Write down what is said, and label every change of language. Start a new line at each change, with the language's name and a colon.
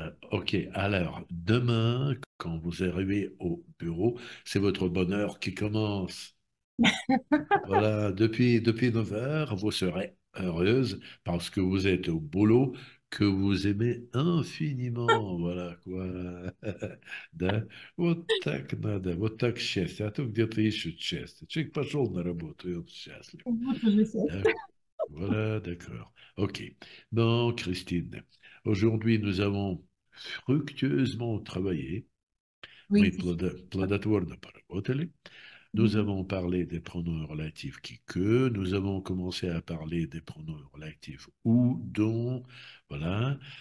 French: Ok, alors, demain, quand vous arrivez au bureau, c'est votre bonheur qui commence. Voilà, depuis 9 heures, vous serez heureuse parce que vous êtes au boulot que vous aimez infiniment. Voilà quoi.
Russian: Да? Вот так надо, вот так счастье. А то где-то ищут счастье. Человек пошел на работу, и он счастлив. Да?
French: Voilà, d'accord. Ok. Bon, Christine, aujourd'hui, nous avons fructueusement travaillé. Oui, Oui,
Russian: плодотворно поработали.
French: Nous avons parlé des pronoms relatifs qui que, nous avons commencé à parler des pronoms relatifs ou dont, voilà.